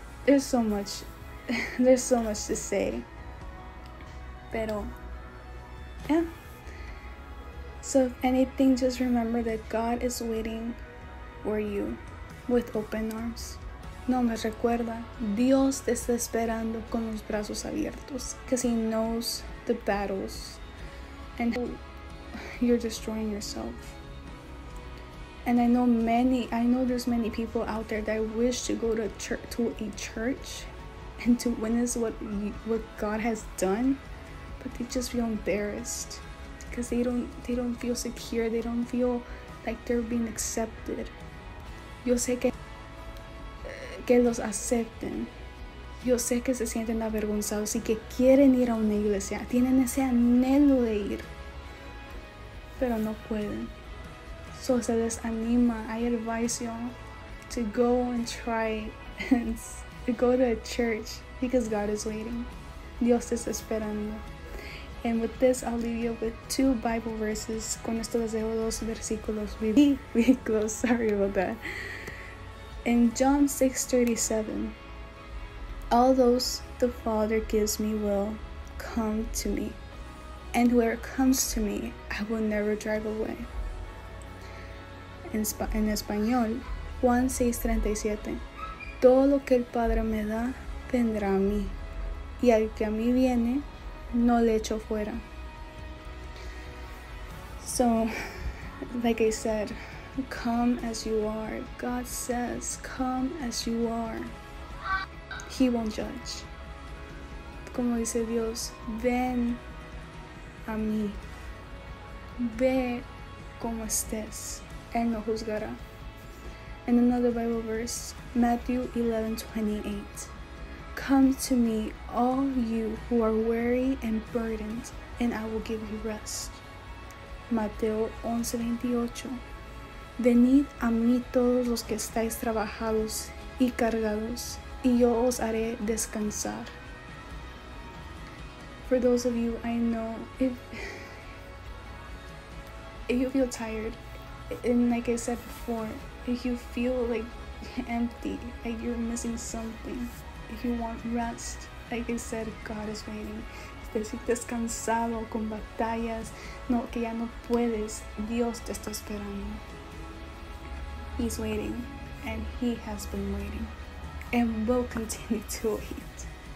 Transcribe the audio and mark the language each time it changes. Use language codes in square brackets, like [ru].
[en] There's so much to say. [es] Pero, [en] yeah. So if anything, just remember that God is waiting for you with open arms. [es] No me recuerda. Dios te está esperando con los brazos abiertos. [en] Because he knows the battles. And you're destroying yourself. And I know there's many people out there that wish to go to church, to a church, and to witness what God has done, but they just feel embarrassed because they don't feel secure. They don't feel like they're being accepted. [es] Yo sé que los acepten. Yo sé que se sienten avergonzados y que quieren ir a una iglesia. Tienen ese anhelo de ir, pero no pueden. [en] So [es] se les anima, [en] I advise y'all to go and try and to go to a church because God is waiting. [es] Dios te está esperando. [en] And with this, I'll leave you with two Bible verses. [es] Con esto les dejo dos versículos bíblicos. [en] Sorry about that. In John 6:37, all those the Father gives me will come to me, and whoever comes to me, I will never drive away. [es] En español, Juan 6:37, todo lo que el Padre me da, vendrá a mí, y al que a mí viene, no le echo fuera. [en] So, like I said, come as you are. God says, come as you are. He won't judge. [es] Como dice Dios, ven a mí. Ve como estés. Él no juzgará. [en] And another Bible verse, Matthew 11:28. Come to me, all you who are weary and burdened, and I will give you rest. [es] Mateo 11:28. Venid a mí todos los que estáis trabajados y cargados, y yo os haré descansar. [en] For those of you, I know, if you feel tired, and like I said before, if you feel like empty, like you're missing something, if you want rest, like I said, God is waiting. [es] Te sientes cansado con batallas, no, que ya no puedes, Dios te está esperando. [en] He's waiting, and he has been waiting, and will continue to wait.